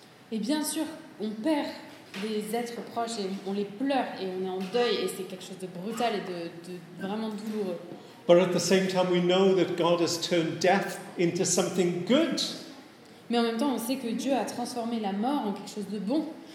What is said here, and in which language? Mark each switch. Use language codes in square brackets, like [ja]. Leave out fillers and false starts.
[fr] Et bien sûr, on perd des êtres proches et on les pleure et on est en deuil et c'est quelque chose de brutal et de vraiment douloureux. [en] But at the same time, we know that God has turned death into something good. [fr] Mais en même temps, on sait que Dieu a transformé la mort en quelque chose de bon.